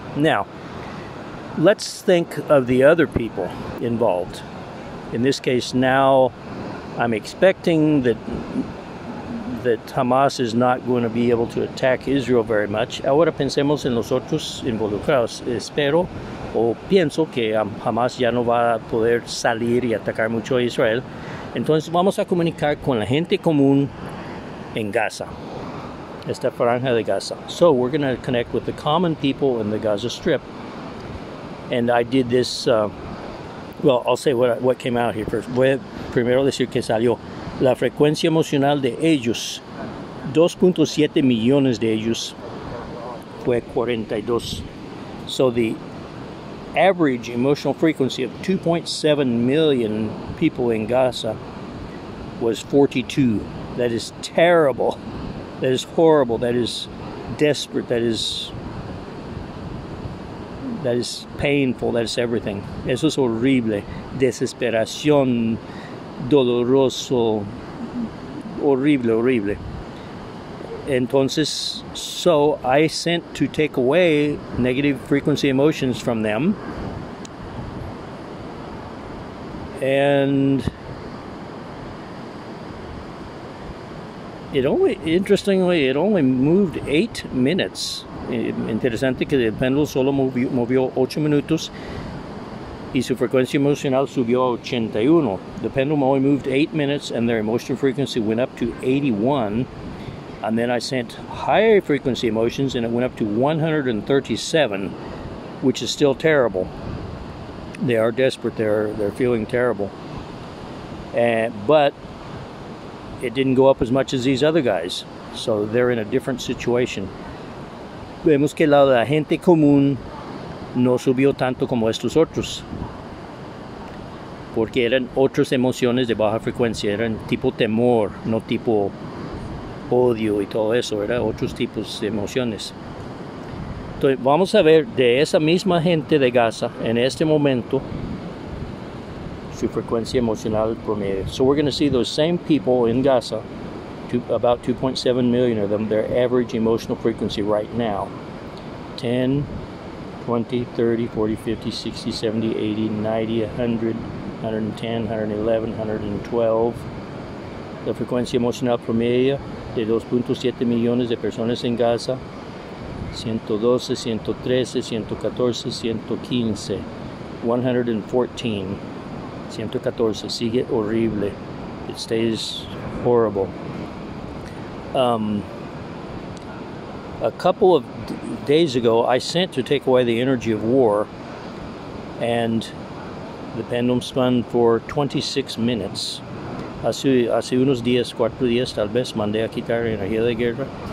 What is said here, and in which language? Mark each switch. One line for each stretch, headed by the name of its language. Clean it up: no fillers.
English: Now, let's think of the other people involved. In this case, now I'm expecting that Hamas is not going to be able to attack Israel very much.
Spanish: Ahora pensemos en los otros involucrados. Espero o pienso que Hamas ya no va a poder salir y atacar mucho a Israel. Entonces vamos a comunicar con la gente común en Gaza. Esta franja de Gaza.
English: So we're going to connect with the common people in the Gaza Strip. And I did this, I'll say what came out here first.
Spanish: Voy a primero decir que salió. La frecuencia emocional de ellos, 2.7 millones de ellos, fue 42.
English: So the average emotional frequency of 2.7 million people in Gaza was 42. That is terrible. That is horrible. That is desperate. That is painful, that is everything.
Spanish: Eso es horrible. Desesperación, doloroso, horrible, horrible.
English: Entonces, so I sent to take away negative frequency emotions from them. And interestingly, it only moved 8 minutes.
Spanish: Interesante que el péndulo solo movió 8 minutos y su frecuencia emocional subió a 81.
English: The pendulum only moved 8 minutes and their emotion frequency went up to 81. And then I sent higher frequency emotions and it went up to 137, which is still terrible. They are desperate. They're feeling terrible. And but it didn't go up as much as these other guys. So they're in a different situation.
Spanish: Vemos que la gente común no subió tanto como estos otros. Porque eran otras emociones de baja frecuencia. Eran tipo temor, no tipo odio y todo eso. Eran otros tipos de emociones. Entonces, vamos a ver de esa misma gente de Gaza en este momento su frecuencia emocional promedio.
English: So we're going to see those same people in Gaza, about 2.7 million of them, their average emotional frequency right now. 10, 20, 30, 40, 50, 60, 70, 80, 90, 100, 110, 111, 112.
Spanish: La frecuencia emocional promedio de 2.7 millones de personas en Gaza.
English: 112, 113, 114, 115, 114, 114,
Spanish: sigue horrible,
English: it stays horrible. A couple of days ago, I sent to take away the energy of war, and the pendulum spun for 26 minutes.
Spanish: Hace unos días, cuatro días, tal vez, mandé a quitar la energía de guerra.